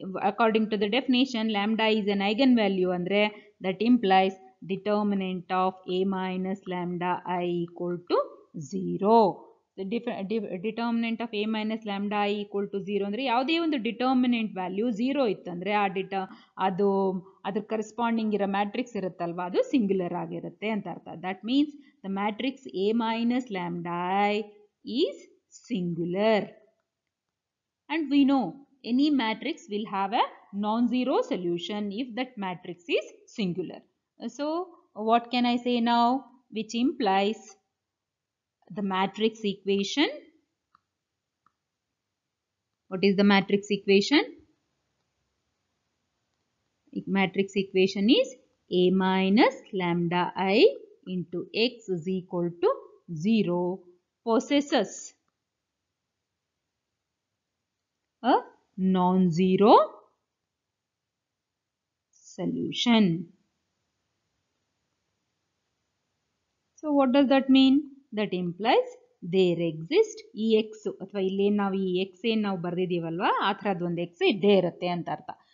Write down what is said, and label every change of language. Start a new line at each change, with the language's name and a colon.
English: According to the definition, lambda is an eigenvalue andre that implies determinant of A minus lambda I equal to 0. The determinant of A minus lambda I equal to 0
Kannada: ಅಂದರೆ ಯಾವುದೇ ಒಂದು determinant value 0 ಇತ್ತಂದರೆ ಆ ಅದು ಅದ್ರ corresponding ಇರೋ matrix ಇರುತ್ತಲ್ವಾ ಅದು ಸಿಂಗ್ಯುಲರ್ ಆಗಿರುತ್ತೆ ಅಂತ ಅರ್ಥ.
English: That means the matrix A minus lambda is singular. And we know any matrix will have a non zero solution if that matrix is singular. So what can I say now? Which implies the matrix equation. What is the matrix equation? Matrix equation is A minus lambda I into X is equal to 0 possesses a non-zero solution. So what does that mean? That implies there exist a X
Kannada: ಅಥವಾ ಇಲ್ಲಿ ಏನು ನಾವು ಈ X ಏನು ನಾವು ಬರೆದಿದ್ದೀವಲ್ವಾ ಆ ಥರದ ಒಂದು ಎಕ್ಸ್ ಇದ್ದೇ ಇರುತ್ತೆ ಅಂತ ಅರ್ಥ.